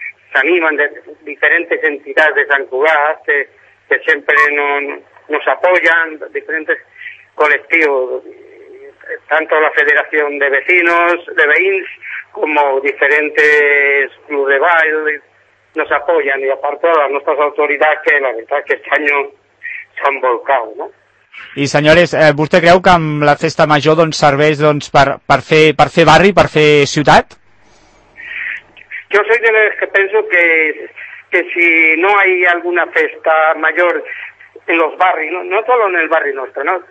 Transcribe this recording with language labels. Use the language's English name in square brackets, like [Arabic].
[Spanish] se animan de diferentes entidades de Sant Cugat que siempre nos apoyan, diferentes colectivos, tanto la Federación de Vecinos, de Veïns, como diferentes clubes de baile, nos apoyan, y aparte a nuestras autoridades que la verdad que este año se han volcado, ¿no? [Catalan] I senyores, vostè creu que amb la Festa Major doncs, serveix doncs, per fer barri, per fer ciutat? [Spanish] Yo soy de los que pienso que si no hay alguna fiesta mayor en los barrios, no solo en el barrio nuestro, ¿no?